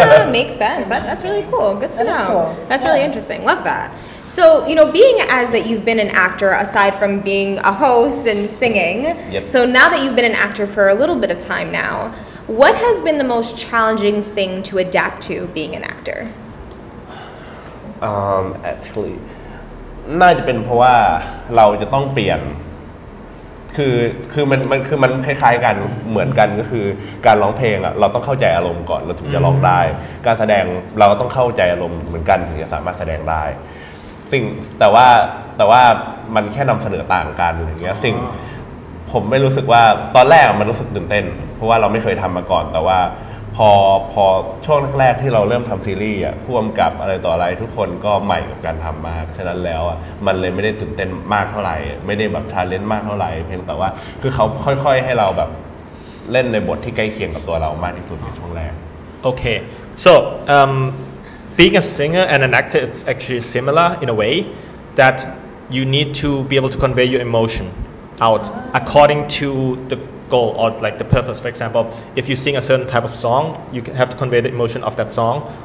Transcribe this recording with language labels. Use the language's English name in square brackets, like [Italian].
[English] makes sense. That's really cool. Good to know. That's really interesting. Love that. So, you know, being as that you've been an actor aside from being a host and singing, yep. So now that you've been an actor for a little bit of time now, What has been the most challenging thing to adapt to being an actor? [Thai] Actually, น่าจะเป็นเพราะว่าเราจะต้องเปลี่ยนคือมันคือมันคล้ายๆกันเหมือนกันก็คือการร้องเพลงอ่ะเราต้องเข้าใจอารมณ์ก่อนเราถึงจะร้องได้การแสดงเราก็ต้องเข้าใจอารมณ์เหมือนกันถึงจะสามารถแสดงได้สิ่งแต่ว่ามันแค่นำเสนอต่างกันอย่างเงี้ยสิ่ง ผมไม่รู้สึกว่าตอนแรกมันรู้สึกตื่นเต้นเพราะว่าเราไม่เคยทำมาก่อนแต่ว่าพอช่วงแรกที่เราเริ่มทำซีรีส์อ่ะพ่วงกับอะไรต่ออะไรทุกคนก็ใหม่กับการทำมากฉะนั้นแล้วอ่ะมันเลยไม่ได้ตื่นเต้นมากเท่าไหร่ไม่ได้แบบทาเลนต์มากเท่าไหร่เพียงแต่ว่าคือเขาค่อยๆให้เราแบบเล่นในบทที่ใกล้เคียงกับตัวเรามากที่สุดในช่วงแรก [English] โอเค so being a singer and an actor it's actually similar in a way that you need to be able to convey your emotion out according to thegoal or like the purpose. For example, if you sing a certain type of song, you have to convey the emotion of that song.